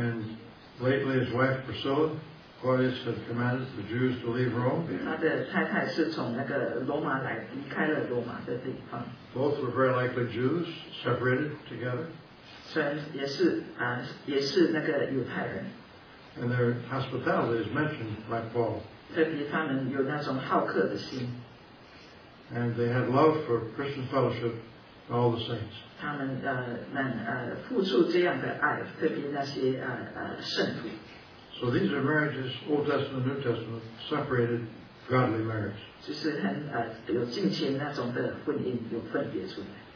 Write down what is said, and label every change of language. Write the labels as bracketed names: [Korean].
[English] And lately his wife Priscilla, Claudius had commanded the Jews to leave Rome. [Chinese] 他的太太是从那个罗马来，离开了罗马的地方。 [English] Both were very likely Jews, separated together. [Chinese] 虽然也是那个犹太人。 [English] And their hospitality is mentioned by Paul. [Chinese] 特别他们有那种好客的心。 [English] And they had love for Christian fellowship and all the saints. [Chinese] 他们付出这样的爱，特别那些圣徒。 [English] So these are marriages, Old Testament, New Testament, separated godly marriage. [Chinese] 就是很有敬虔那种的婚姻，有分别出来。